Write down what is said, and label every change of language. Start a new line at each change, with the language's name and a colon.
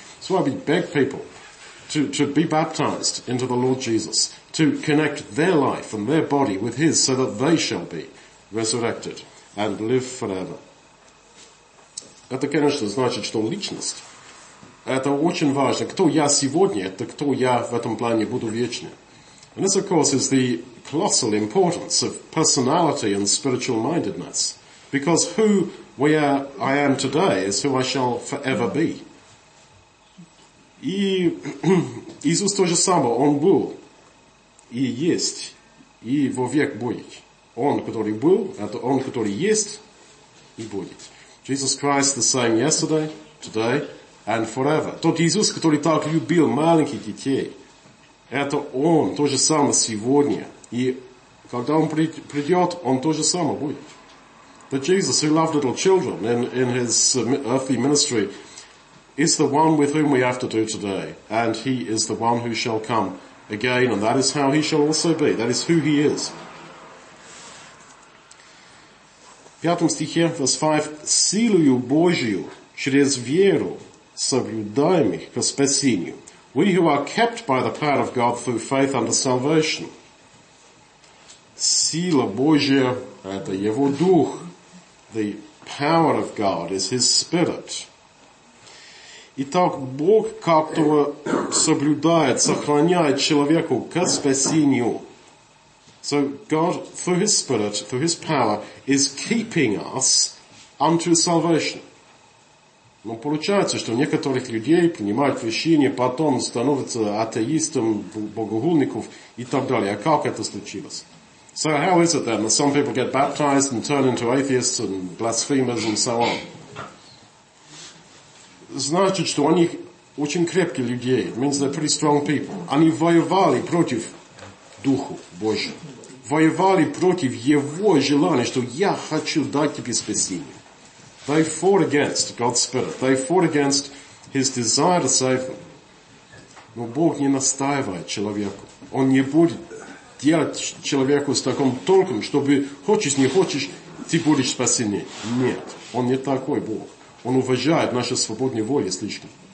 English: So I beg people to be baptized into the Lord Jesus, to connect their life and their body with his so that they shall be resurrected and live forever.
Russian: Это, конечно, значит, что личность. Это очень важно. Кто я сегодня, это кто я в этом плане буду вечно.
English: And this, of course, is the colossal importance of personality and spiritual mindedness. Because who we are, I am today is who I shall forever be.
Russian: И Иисус то же самое, Он был и есть, и во век будет. Он, который был, это Он, который есть и будет.
English: Jesus Christ the same yesterday, today and forever.
Russian: Тот Иисус, который так любил маленьких детей, это Он то же самое сегодня. И когда Он придет, Он то же самое будет.
English: That Jesus, who loved little children in his earthly ministry, is the one with whom we have to do today. And he is the one who shall come again. And that is how he shall also be. That is who he is.
Russian: Пятом стихе,
English: verse 5,
Russian: силою Божию через веру соблюдаемый ко спасению.
English: We who are kept by the power of God through faith unto salvation.
Russian: Сила Божия, это его дух.
English: The power of God is His Spirit.
Russian: Итак, Бог как-то соблюдает, сохраняет человеку к спасению.
English: So God, through His Spirit, through His power, is keeping us unto salvation.
Russian: Но получается, что некоторых людей принимают крещение, потом становятся атеистом, богохульников и так далее. А как это случилось?
English: So how is it then that some people get baptized and turn into atheists and blasphemers and so on?
Russian: Значит, что они очень крепкие люди.
English: It means they're pretty strong people.
Russian: Они воевали против Духа Божьего. Воевали против Его желания, что я хочу дать тебе спасение.
English: They fought against God's Spirit. They fought against His desire to save them.
Russian: Но Бог не настаивает человеку. Он не будет делать человеку с таким толком, чтобы хочешь, не хочешь, ты будешь спасен. Нет. Он не такой Бог. Он уважает наши свободные воли слишком.